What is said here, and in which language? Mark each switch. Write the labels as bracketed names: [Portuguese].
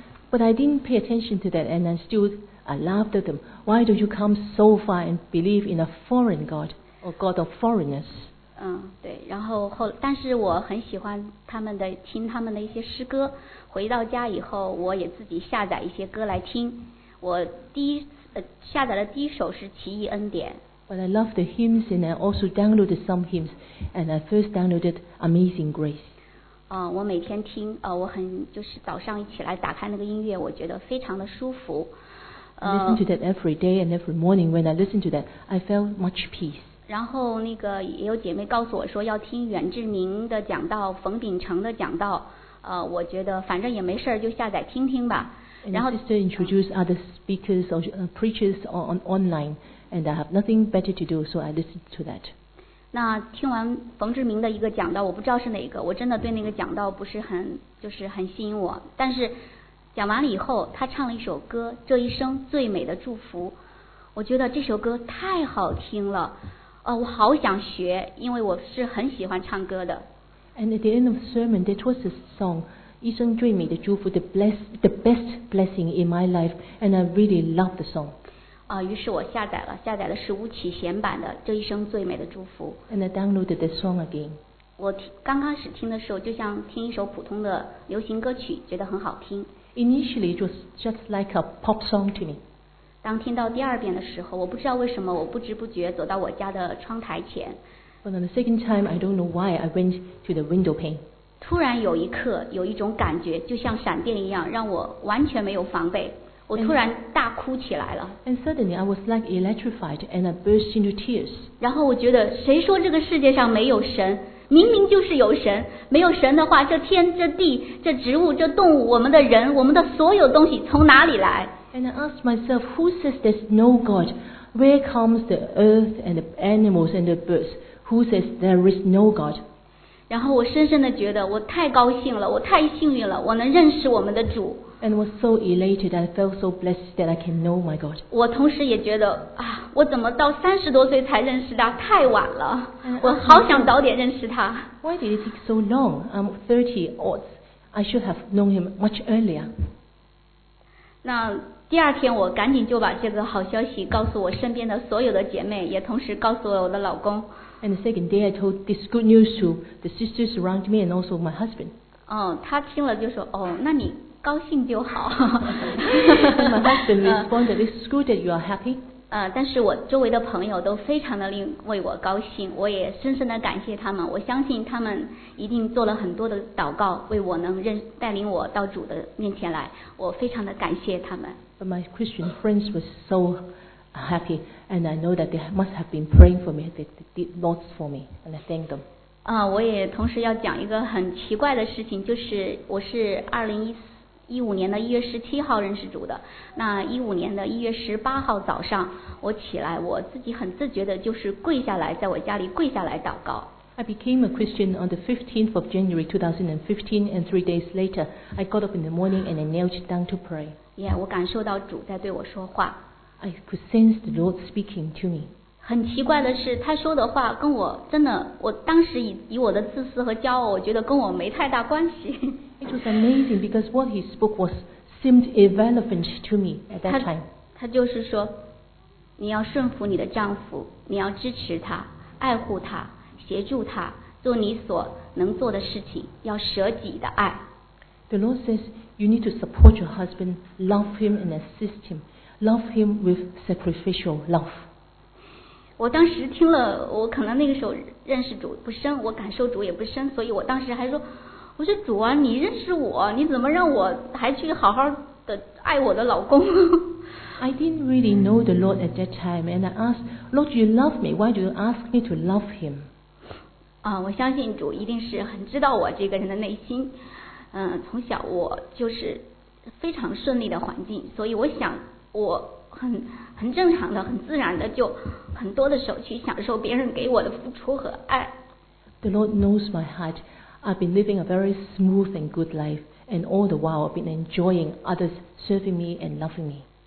[English] But I didn't pay attention to that, and I still laughed at them. Why do you come so far and believe in a foreign god or god of foreigners? [Chinese] 对，然后但是我很喜欢他们的，听他们的一些诗歌。回到家以后，我也自己下载一些歌来听。我第一下载的第一首是奇异恩典。 [English] But I love the hymns, and I also downloaded some hymns, and I first downloaded Amazing Grace. [Chinese] 我每天听，我很就是早上一起来打开那个音乐，我觉得非常的舒服。 [English] Listen to that every day and every morning. When I listen to that, I felt much peace. [Chinese] 然后那个也有姐妹告诉我说要听袁志明的讲道、冯秉成的讲道，我觉得反正也没事就下载听听吧。然后 [English] sister introduced other speakers or preachers on online, and I have nothing better to do, so I listened to that. [Chinese] 那听完冯志明的一个讲道，我不知道是哪个，我真的对那个讲道不是很就是很吸引我，但是。讲完了以后他唱了一首歌这一生最美的祝福我觉得这首歌太好听了我好想学因为我是很喜欢唱歌的 [English] and at the end of the sermon there was a song 一生最美的祝福 the best blessing in my life and I really love the song [Chinese] 于是我下载了下载的是巫启贤版的这一生最美的祝福 [English] and I downloaded the song again [Chinese] 我刚开始听的时候就像听一首普通的流行歌曲觉得很好听 [English] Initially, it was just like a pop song to me. [Chinese] 当听到第二遍的时候，我不知道为什么，我不知不觉走到我家的窗台前。 [English] But on the second time, I don't know why I went to the window pane. [Chinese] 突然有一刻，有一种感觉，就像闪电一样，让我完全没有防备。我突然大哭起来了。 [English] And suddenly, I was like electrified, and I burst into tears. [Chinese] 然后我觉得，谁说这个世界上没有神？明明就是有神，没有神的话，这天、这地、这植物、这动物，我们的人，我们的所有东西从哪里来 [English] ？And I asked myself, who says there's no God? Where comes the earth and the animals and the birds? Who says there is no God? [Chinese] 然后我深深的觉得，我太高兴了，我太幸运了，我能认识我们的主。 [English] And was so elated, I felt so blessed that I can know my God. [Chinese] 我同时也觉得啊，我怎么到三十多岁才认识他？太晚了，我好想早点认识他。 [English] Why did it take so long? I'm 30 odds. I should have known him much earlier. [Chinese] 那第二天，我赶紧就把这个好消息告诉我身边的所有的姐妹，也同时告诉了我的老公。 [English] And the second day, I told this good news to the sisters around me and also my husband. [Chinese] 他听了就说，哦，那你。高兴就好。 [English] My husband responded, "It's good that you are happy." [Chinese] 但是我周围的朋友都非常的令为我高兴，我也深深的感谢他们。我相信他们一定做了很多的祷告，为我能认带领我到主的面前来。我非常的感谢他们。 [English] But my Christian friends were so happy, and I know that they must have been praying for me. They did lots for me, and I thank them. [Chinese] 我也同时要讲一个很奇怪的事情，就是我是2015年的1月17号认识主的，那2015年的1月18号早上，我起来，我自己很自觉的，就是跪下来，在我家里跪下来祷告。 [English] I became a Christian on the 15th of January 2015, and 3 days later, I got up in the morning and I knelt down to pray. [Chinese] Yeah, 我感受到主在对我说话。 [English] I could sense the Lord speaking to me. [Chinese] 很奇怪的是，他说的话跟我真的，我当时以我的自私和骄傲，我觉得跟我没太大关系。 [English] It was amazing because what he spoke was seemed irrelevant to me at that time. [Chinese] 他就是说，你要顺服你的丈夫，你要支持他，爱护他，协助他，做你所能做的事情，要舍己的爱。 [English] The Lord says you need to support your husband, love him and assist him, love him with sacrificial love. [Chinese] 我当时听了，我可能那个时候认识主不深，我感受主也不深，所以我当时还说。我说主啊，你认识我，你怎么让我还去好好的爱我的老公 [English] ？I didn't really know the Lord at that time, and I asked, Lord, you love me. Why do you ask me to love him? [Chinese] 我相信主一定是很知道我这个人的内心。从小我就是非常顺利的环境，所以我想我很正常的、很自然的就很多的时候去享受别人给我的付出和爱。 [English] The Lord knows my heart. I've been living a very smooth and good life, and all the while I've been enjoying others serving me and loving me.